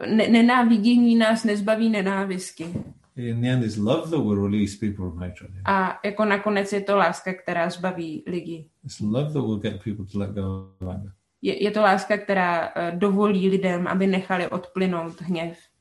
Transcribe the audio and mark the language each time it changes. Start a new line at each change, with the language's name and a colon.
Czech: Nenávidění nás nezbaví nenávisky.
English: In the end, it's love that will release people from hatred.
Czech: A jako nakonec je to láska, která zbaví lidi.
English: It's love that will get people to let go of anger.
Czech: Je to láska, která dovolí lidem, aby nechali odplynout hněv.